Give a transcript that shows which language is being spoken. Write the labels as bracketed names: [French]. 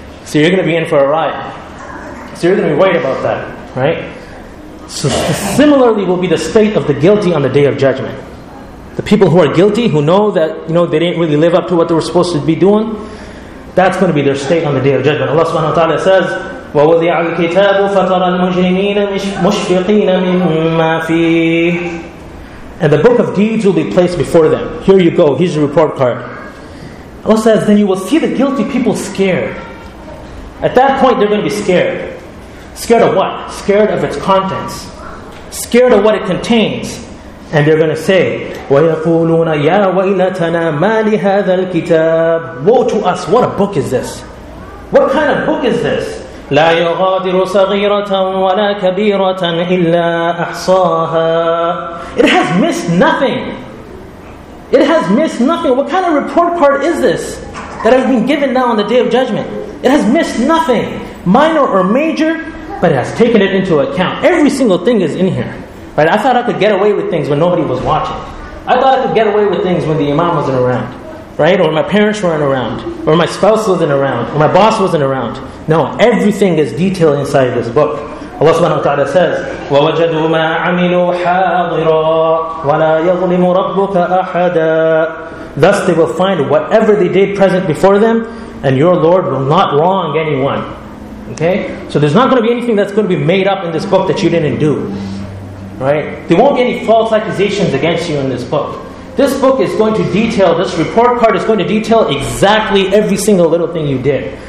[English] So you're going to be in for a ride. So you're going to be worried about that, right? So similarly will be the state of the guilty on the Day of Judgment. The people who are guilty, who know that, you know, they didn't really live up to what they were supposed to be doing, that's going to be their state on the Day of Judgment. Allah subhanahu wa ta'ala says, [Arabic] وَوَضِعَ الْكِتَابُ فَتَرَى الْمُجْرِمِينَ مُشْفِقِينَ مِمَّا فِيهِ. [English] And the book of deeds will be placed before them. Here you go, here's your report card. Allah says, then you will see the guilty people scared. At that point, they're going to be scared. Scared of what? Scared of its contents. Scared of what it contains. And they're going to say, [Arabic] وَيَقُولُونَ يَا وَيْلَتَنَا مَا لِهَذَا الْكِتَابِ. [English] Woe to us, what a book is this? What kind of book is this? [Arabic] لَا يُغَادِرُ صَغِيرَةً وَلَا كَبِيرَةً إِلَّا أَحْصَاهَا. [English] It has missed nothing. It has missed nothing. What kind of report card is this that has been given now on the Day of Judgment? It has missed nothing, minor or major, but it has taken it into account. Every single thing is in here. Right? I thought I could get away with things when nobody was watching. I thought I could get away with things when the Imam wasn't around. Right? Or my parents weren't around. Or my spouse wasn't around. Or my boss wasn't around. No, everything is detailed inside this book. Allah subhanahu wa ta'ala says, [Arabic] وَوَجَدُوا مَا عَمِلُوا حَاضِرًا وَلَا يَظْلِمُ رَبُّكَ أَحَدًا. [English] Thus they will find whatever they did present before them, and your Lord will not wrong anyone. Okay? So there's not going to be anything that's going to be made up in this book that you didn't do. Right? There won't be any false accusations against you in this book. This book is going to detail, this report card is going to detail exactly every single little thing you did.